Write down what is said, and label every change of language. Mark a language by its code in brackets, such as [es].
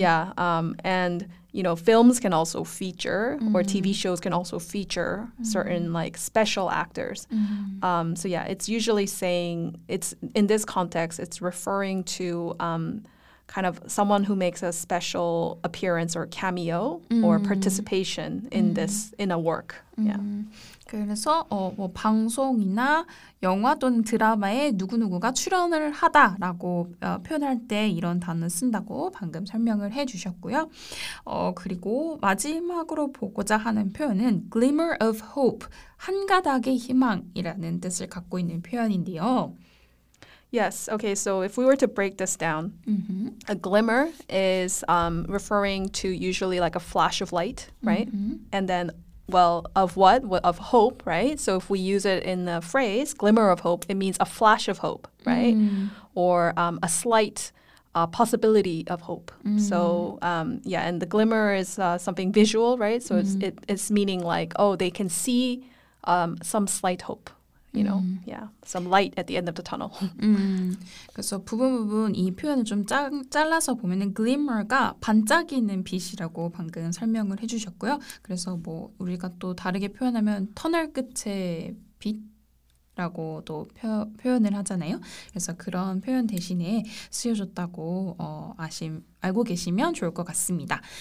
[en] yeah, and you know, films can also feature mm-hmm. or TV shows can also feature mm-hmm. certain like special actors. Mm-hmm. So yeah, it's usually saying it's in this context, it's referring to kind of someone who makes a special appearance or cameo mm-hmm. or participation in mm-hmm. this, in a work. Mm-hmm. Yeah. [ko] 그래서 뭐 방송이나 영화 또는 드라마에 누구누구가 출연을 하다라고 표현할 때 이런 단어 쓴다고 방금 설명을 해주셨고요. 그리고 마지막으로 보고자 하는 표현은 glimmer of hope, 한 가닥의 희망이라는 뜻을 갖고 있는 표현인데요. [en] Yes, okay, so if we were to break this down, mm-hmm. a glimmer is referring to usually like a flash of light, right? Mm-hmm. And then well, of what? Of hope, right? So if we use it in the phrase, glimmer of hope, it means a flash of hope, right? Mm. Or a slight possibility of hope. Mm. So, yeah, and the glimmer is something visual, right? So it's meaning like, oh, they can see some slight hope. You know, yeah, some light at the end of the tunnel. [ko] 그래서 부분 이 표현을 좀 잘라서 보면은 glimmer가 반짝이는 빛이라고 방금 설명을 해주셨고요. 그래서 뭐 우리가 또 다르게 표현하면 터널 끝의 빛이라고도 표현을 하잖아요. 그래서 그런 표현 대신에 쓰여졌다고 알고 계시면 좋을 것 같습니다.